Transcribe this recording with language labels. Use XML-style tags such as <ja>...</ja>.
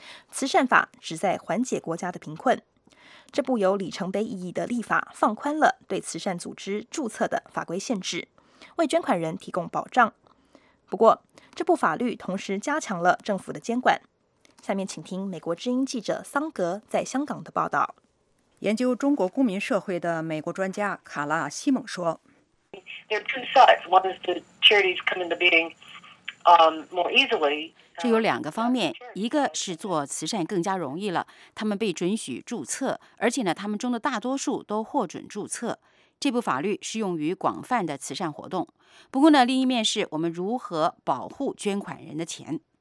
<zh>慈善法旨在缓解国家的贫困，这部有里程碑意义的立法放宽了对慈善组织注册的法规限制，为捐款人提供保障。不过，这部法律同时加强了政府的监管。下面请听美国之音记者桑格在香港的报道。研究中国公民社会的美国专家卡拉·西蒙说</zh> <en>：“There are two sides. One is the charities come into being more easily.”</en> <zh>这有两个方面，一个是做慈善更加容易了，他们被准许注册，而且呢，他们中的大多数都获准注册。这部法律适用于广泛的慈善活动。不过呢，另一面是我们如何保护捐款人的钱。</zh>